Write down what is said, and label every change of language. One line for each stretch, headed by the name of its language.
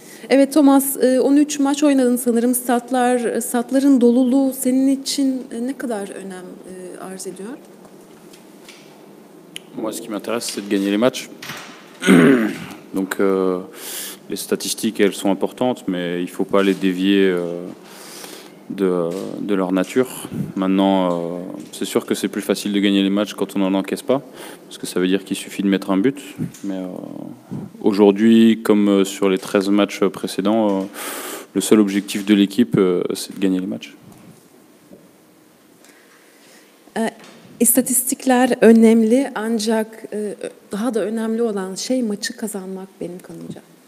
Turkish: Evet Thomas, 13 maç oynadın sanırım. Statların doluluğu senin için ne kadar önem arz ediyor?
French: Moi ce qui m'intéresse c'est de gagner les matchs. Donc les statistiques elles sont importantes mais il faut pas les dévier de leur nature. Maintenant, c'est sûr que c'est plus facile de gagner les matchs quand on n'en encaisse pas, parce que ça veut dire qu'il suffit de mettre un but. Mais aujourd'hui, comme sur les 13 matchs précédents, le seul objectif de l'équipe, c'est de gagner les matchs.
Turkish: İstatistikler önemli, ancak daha da önemli olan şey maçı kazanmak benim kanımca.